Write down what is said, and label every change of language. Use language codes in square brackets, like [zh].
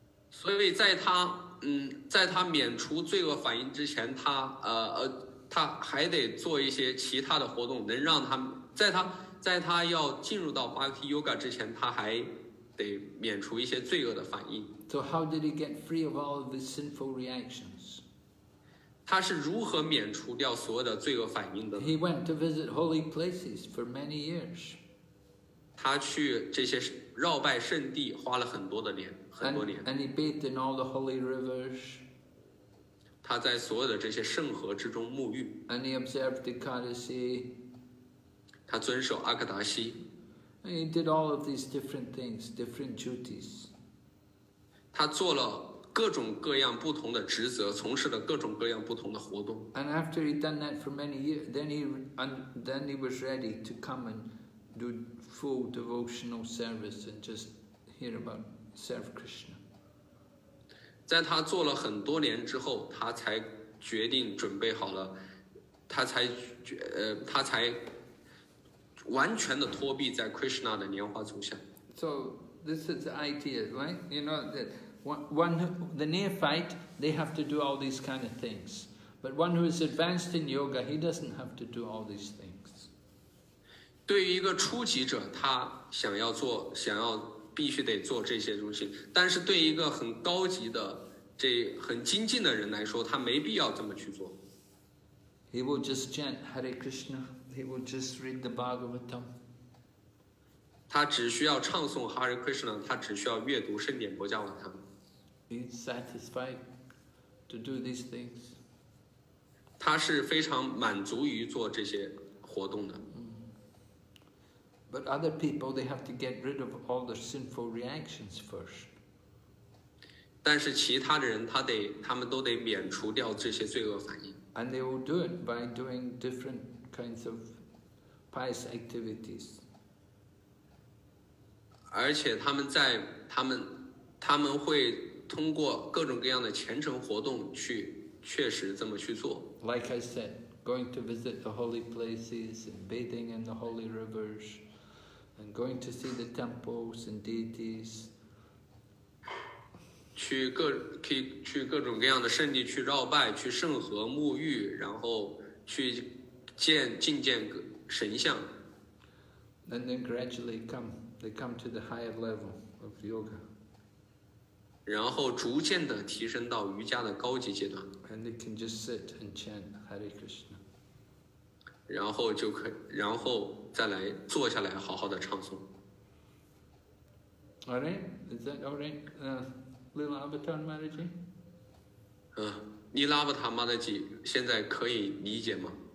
[zh] 所以在他在他免除罪恶反应之前，他还得做一些其他的活动，能让他在他要进入到 Bhakti Yoga 之前，他还得免除一些罪恶的反应。 [en] So how did he get free of all of his sinful reactions? [zh] 他是如何免除掉所有的罪恶反应的 [en] ？He went to visit holy places for many years. [zh] 他去这些绕拜圣地花了很多年。 [en] And he bathed in all the holy rivers. [zh] 他在所有的这些圣河之中沐浴。 [en] And he observed the Ekadasi. [zh] 他遵守阿克达西。 [en] And he did all of these different things, different duties. [zh] 他做了。各种各样不同的职责，从事了各种各样不同的活动。 [en] And after he'd done that for many years, then he was ready to come and do full devotional service and just hear about serve Krishna. [zh] 在他做了很多年之后，他才决定准备好了，他才完全的托庇在 Krishna 的莲花足下。 [en] So this is the idea, right? You know that. The neophyte, they have to do all these kind of things. But one who is advanced in yoga, he doesn't have to do all these things. [zh] 对于一个初级者，他想要必须得做这些东西。但是对一个很高级的、这很精进的人来说，他没必要这么去做。 [en] He will just chant Hare Krishna. He will just read the Bhagavatam. [zh] 他只需要唱诵 Hare Krishna, 他只需要阅读圣典薄伽瓦坛。 [en] He's satisfied to do these things. [zh] 他是非常满足于做这些活动的。 [en] But other people, they have to get rid of all the sinful reactions first. [zh] 但是其他的人他们都得免除掉这些罪恶反应。 [en] And they will do it by doing different kinds of pious activities. [zh] 而且他们会通过各种各样的虔诚活动去确实这么去做。 [en] Like I said, going to visit the holy places and bathing in the holy rivers and going to see the temples and deities. [zh] 去各种各样的圣地去绕拜，去圣河沐浴，然后去觐见神像。 [en] And then gradually come. They come to the higher level of yoga. [zh] 然后逐渐地提升到瑜伽的高级阶段。 [en] And they can just sit and chant Hare Krishna. [zh] 然后再来坐下来好好的唱诵。 [en] All right? Is that all right? Little Avatar Mataji? [zh] Little Avatar Mataji, 现在可以理解吗？